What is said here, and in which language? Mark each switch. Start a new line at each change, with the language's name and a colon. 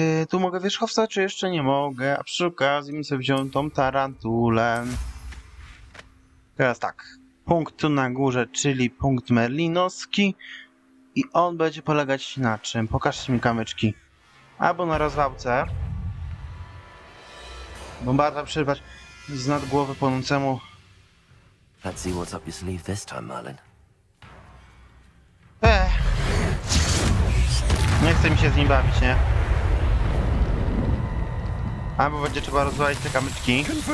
Polish: Tu mogę wierzchowca, czy jeszcze nie mogę? A przy okazji bym sobie wziął tą tarantulę. Teraz tak. Punkt tu na górze, czyli punkt merlinowski. I on będzie polegać na czym? Pokażcie mi kamyczki. Albo na rozwałce. Bombarda przerwać z nad głowy płonącemu.
English: Let's see what's up your sleeve this time, Merlin.
Polish: Nie chce mi się z nim bawić, nie? Albo będzie trzeba rozwalić te kamyczki.